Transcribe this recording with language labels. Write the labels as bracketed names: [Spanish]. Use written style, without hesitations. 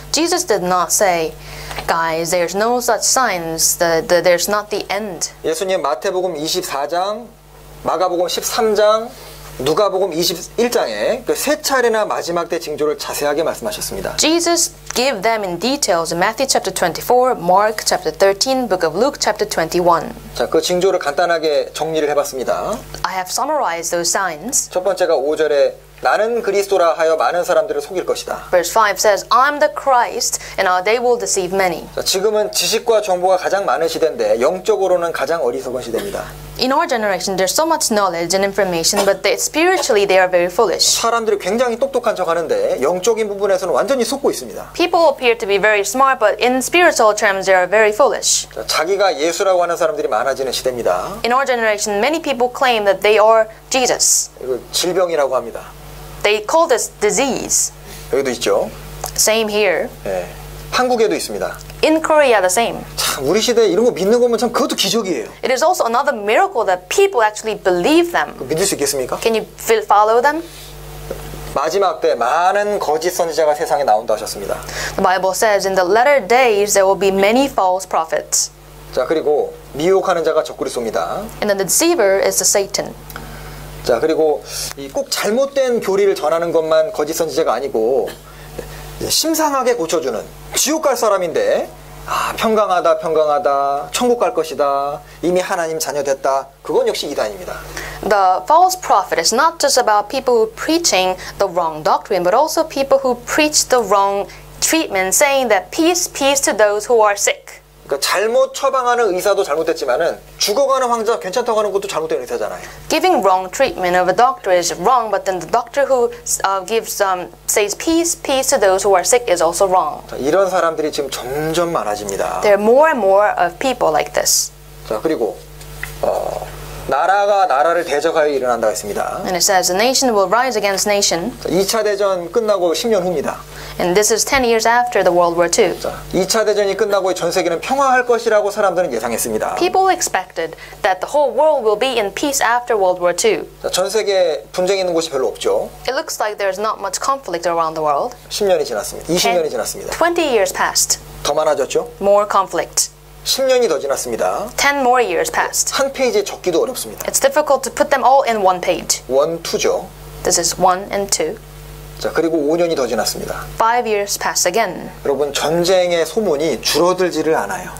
[English] Jesus did not say, "Guys, there's no such signs. There's not the end." [Korean] 예수님 마태복음 24장 마가복음 13장, 누가복음 21장에 그 세 차례나 마지막 때 징조를 자세하게 말씀하셨습니다. [English] Jesus gave them in details in Matthew chapter 24, Mark chapter 13, book of Luke chapter 21. [Korean] 자, 그 징조를 간단하게 정리를 해봤습니다. [English] I have summarized those signs. [Korean] 첫 번째가 5절에 나는 그리스도라 하여 많은 사람들을 속일 것이다. [English] Verse 5 says, "I'm the Christ, and they will deceive many." [Korean] 자, 지금은 지식과 정보가 가장 많은 시대인데 영적으로는 가장 어리석은 시대입니다. [English] In our generation, there's so much knowledge and information, but spiritually, they are very foolish. [Korean] 사람들이 굉장히 똑똑한 척하는데 영적인 부분에서는 완전히 속고 있습니다. [English] People appear to be very smart, but in spiritual terms, they are very foolish. [Korean] 자, 자기가 예수라고 하는 사람들이 많아지는 시대입니다. [English] In our generation, many people claim that they are Jesus. [Korean] 이거 질병이라고 합니다. [English] They call this disease. [Korean] 여기도 있죠. [English] Same here. [Korean] 예, 한국에도 있습니다. [English] In Korea, the same. [Korean] 참 우리 시대 이런 거 믿는 거면 참 그것도 기적이에요. [English] It is also another miracle that people actually believe them. [Korean] 믿을 수 있겠습니까? [English] Can you follow them? [Korean] 마지막 때 많은 거짓 선지자가 세상에 나온다 하셨습니다. [English] The Bible says in the latter days there will be many false prophets. [Korean] 자 그리고 미혹하는 자가 적그리스도입니다. [English] And then the deceiver is the Satan. [Korean] 자 그리고 이 꼭 잘못된 교리를 전하는 것만 거짓 선지자가 아니고 심상하게 고쳐주는 지옥 갈 사람인데 아 평강하다 평강하다 천국 갈 것이다 이미 하나님 자녀 됐다 그건 역시 이단입니다. [English] The false prophet is not just about people who preaching the wrong doctrine, but also people who preach the wrong treatment, saying that peace, peace to those who are sick. [Korean] 그러니까 잘못 처방하는 의사도 잘못됐지만은 죽어가는 환자 괜찮다고 하는 것도 잘못된 의사잖아요. [English] Giving wrong treatment of a doctor is wrong, but then the doctor who gives says peace, peace to those who are sick is also wrong. [Korean] 자, 이런 사람들이 지금 점점 많아집니다. [English] There are more and more of people like this. [Korean] 자 그리고 나라가 나라를 대적하여 일어난다 했습니다. [English] And it says the nation will rise against nation. [Korean] 2차 대전 끝나고 10년 후입니다. [English] And this is 10 years after the World War II. [Korean] 2차 대전이 끝나고 전 세계는 평화할 것이라고 사람들은 예상했습니다. [English] People expected that the whole world will be in peace after World War II. [Korean] 전 세계 분쟁 있는 곳이 별로 없죠. [English] It looks like there's not much conflict around the world. [Korean] 10년이 지났습니다. 20년이 지났습니다. [English] 20 years passed. [Korean] 더 많아졌죠? [English] More conflict. [Korean] 10년이 더 지났습니다. [English] 10 more years passed. [Korean] 한 페이지에 적기도 어렵습니다. [English] It's difficult to put them all in one page. [Korean] 1, 2죠. [English] This is 1 and 2. [Korean] 자, 그리고 5년이 더 지났습니다. [English] 5 years passed again. [Korean] 여러분, 전쟁의 소문이 줄어들지를 않아요.